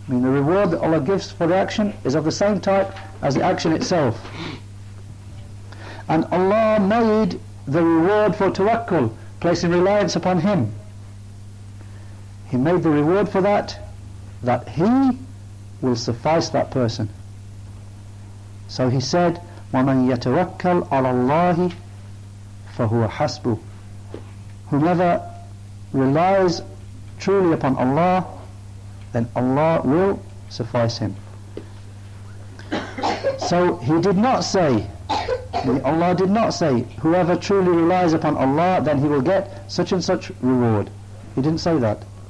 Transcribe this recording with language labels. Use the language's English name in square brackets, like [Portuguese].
[English] I mean, the reward that Allah gives for the action is of the same type as the action itself. And Allah made the reward for tawakkul, placing reliance upon Him. He made the reward for that, that He will suffice that person. So he said, [Arabic] وَمَنْ يَتَوَكَّلْ عَلَى اللَّهِ فَهُوَ حَسْبُهُ. [English] Whomever relies truly upon Allah, then Allah will suffice him. So he did not say, Allah did not say, whoever truly relies upon Allah, then he will get such and such reward. He didn't say that.